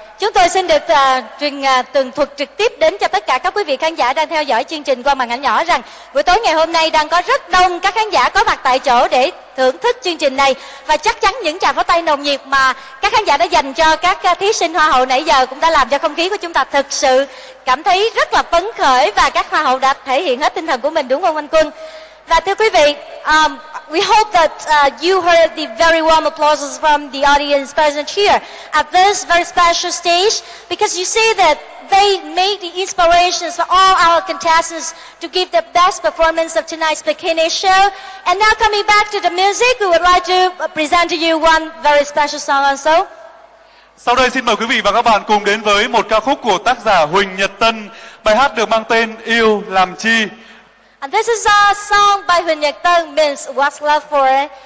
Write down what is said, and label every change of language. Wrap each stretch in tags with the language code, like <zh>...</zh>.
<vi>Chúng tôi xin được tường thuật trực tiếp đến cho tất cả các quý vị khán giả đang theo dõi chương trình qua màn ảnh nhỏ rằng buổi tối ngày hôm nay đang có rất đông các khán giả có mặt tại chỗ để thưởng thức chương trình này. Và chắc chắn những tràng pháo tay nồng nhiệt mà các khán giả đã dành cho các thí sinh hoa hậu nãy giờ cũng đã làm cho không khí của chúng ta thực sự cảm thấy rất là phấn khởi, và các hoa hậu đã thể hiện hết tinh thần của mình, đúng không anh Quân? Và thưa quý vị,</vi> <en>we hope that you heard the very warm applauses from the audience present here at this very special stage, because you see that they made the inspirations for all our contestants to give the best performance of tonight's bikini show. And now coming back to the music, we would like to present to you one very special song also.</en> <vi>Sau đây xin mời quý vị và các bạn cùng đến với một ca khúc của tác giả Huỳnh Nhật Tân, bài hát được mang tên Yêu Làm Chi.</vi> <en>And this is a song by Huỳnh Nhật Tân, means What's Love For?</en>